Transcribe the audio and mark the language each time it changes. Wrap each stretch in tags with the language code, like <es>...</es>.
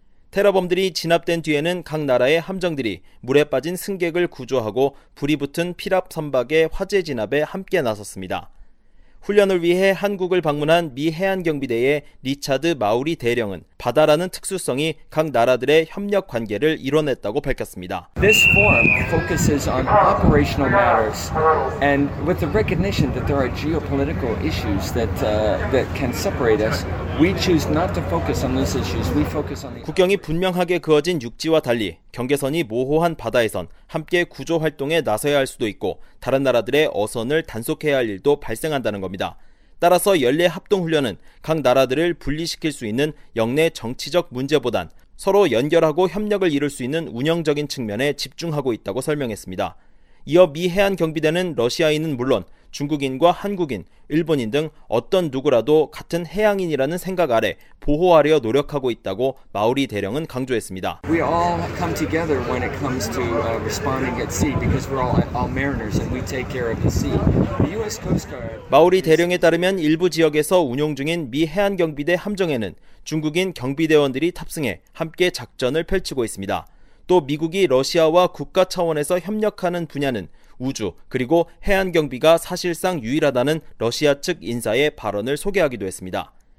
<ko>테러범들이 진압된 뒤에는 각 나라의 함정들이 물에 빠진 승객을 구조하고 불이 붙은 피랍 선박의 화재 진압에 함께 나섰습니다. 훈련을 위해 한국을 방문한 미 해안경비대의 리차드 마우리 대령은 바다라는 특수성이 각 나라들의 협력 관계를 이뤄냈다고 밝혔습니다.</ko> <en>This forum focuses on operational matters and with the recognition that there are geopolitical issues that that can separate us, we choose not to focus on those issues. We focus on the</en> <ko>국경이 분명하게 그어진 육지와 달리 경계선이 모호한 바다에선 함께 구조 활동에 나서야 할 수도 있고 다른 나라들의 어선을 단속해야 할 일도 발생한다는 겁니다. 따라서 연례 합동훈련은 각 나라들을 분리시킬 수 있는 영내 정치적 문제보단 서로 연결하고 협력을 이룰 수 있는 운영적인 측면에 집중하고 있다고 설명했습니다. 이어 미 해안경비대는 러시아인은 물론 중국인과 한국인, 일본인 등 어떤 누구라도 같은 해양인이라는 생각 아래 보호하려 노력하고 있다고 마우리 대령은 강조했습니다.</ko> <en>We all come together when it comes to responding at sea because we're all mariners and we take care of the sea. The US Coast Guard.</en> <ko>마우리 대령에 따르면 일부 지역에서 운용 중인 미 해안경비대 함정에는 중국인 경비대원들이 탑승해 함께 작전을 펼치고 있습니다. 또 미국이 러시아와 국가 차원에서 협력하는 분야는 우주 그리고 해안경비가 사실상 유일하다는 러시아 측 인사의 발언을 소개하기도 했습니다.</ko>